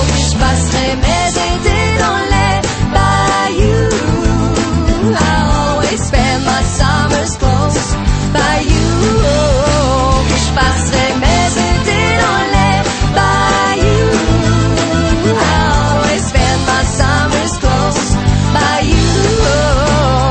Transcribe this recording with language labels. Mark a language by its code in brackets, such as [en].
[fr] Je passerais mes étés dans les bayous. [en] I always spend my summers close by you. [fr] Je passerais mes étés dans les bayous. [en] I always spend my summers close by you.